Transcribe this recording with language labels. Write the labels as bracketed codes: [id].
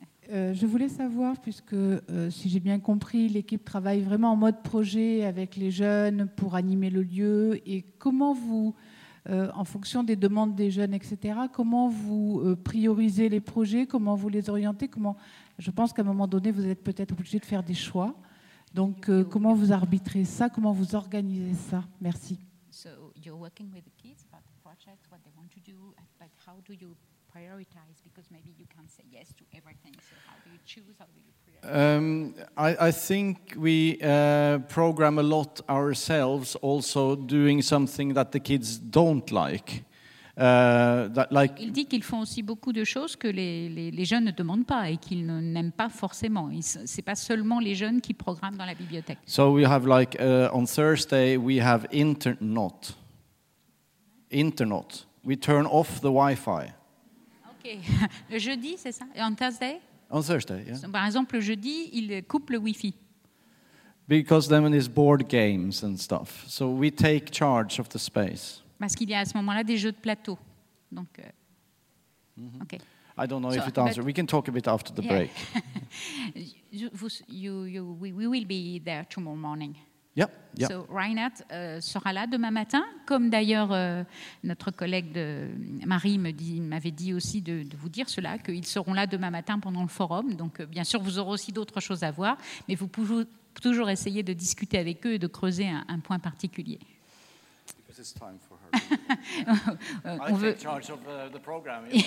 [fr] Je voulais savoir, puisque si j'ai bien compris, l'équipe travaille vraiment en mode projet avec les jeunes pour animer le lieu. Et comment vous, en fonction des demandes des jeunes, etc., comment vous priorisez les projets ? Comment vous les orientez ? Je pense qu'à un moment donné, vous êtes peut-être obligé de faire des choix. Donc, comment vous arbitrez ça ? Comment vous organisez ça ? Merci. [en] So, you're working with the kids about the project, what they want to do, but how do you prioritize? Because maybe you can't say yes to everything. So, how do you choose? How do you prioritize? I think we program a lot ourselves, also doing something that the kids don't like. [fr] Il dit qu'ils font aussi beaucoup de choses que les jeunes ne demandent pas et qu'ils n'aiment pas forcément. C'est pas seulement les jeunes qui programment dans la bibliothèque. [en] So we have like on Thursday we have internet. We turn off the Wi-Fi. [fr] Okay. Le jeudi, c'est ça? [en] On Thursday? On Thursday, yeah. [fr] Par exemple, le jeudi, il coupe le Wi-Fi. [en] Because then it's board games and stuff. So we take charge of the space. [fr] Parce qu'il y a à ce moment-là des jeux de plateau. Donc, [en] okay. I don't know if it answers. We can talk a bit after the break. we will be there tomorrow morning. Yep. [fr] So Reinhard sera là demain matin, comme d'ailleurs notre collègue de Marie m'avait dit aussi de vous dire cela, qu'ils seront là demain matin pendant le forum. Donc, bien sûr, vous aurez aussi d'autres choses à voir, mais vous pouvez toujours essayer de discuter avec eux et de creuser un point particulier. [en] Because it's time for I take charge of the program.